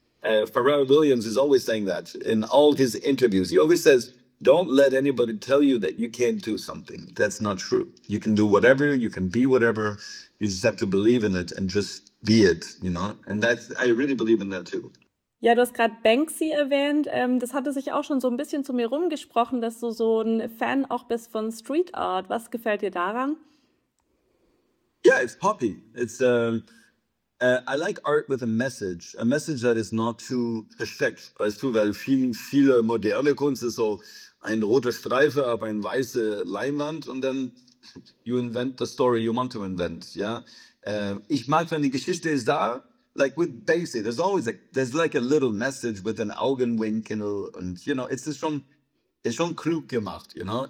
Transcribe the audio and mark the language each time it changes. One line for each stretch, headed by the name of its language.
English: Pharrell Williams is always saying that in all his interviews. He always says, don't let anybody tell you that you can't do something. That's not true. You can do whatever. You can be whatever. You just have to believe in it and just be it, you know. And that's, I really believe in that too.
German: Ja, du hast gerade Banksy erwähnt. Das hatte sich auch schon so ein bisschen zu mir rumgesprochen, dass du so ein Fan auch bist von Street Art. Was gefällt dir daran?
English: Yeah, it's poppy. It's I like art with a message. A message that is not too perfect,
German: weißt du, weil viele moderne Kunst ist so ein roter Streifen auf eine weiße Leinwand und dann
English: you invent the story you want to invent.
German: Ja, ich mag, wenn die Geschichte ist da.
English: Like with Banksy, there's always a little message with an Augenwink and you know, it's
German: schon klug gemacht,
English: you know?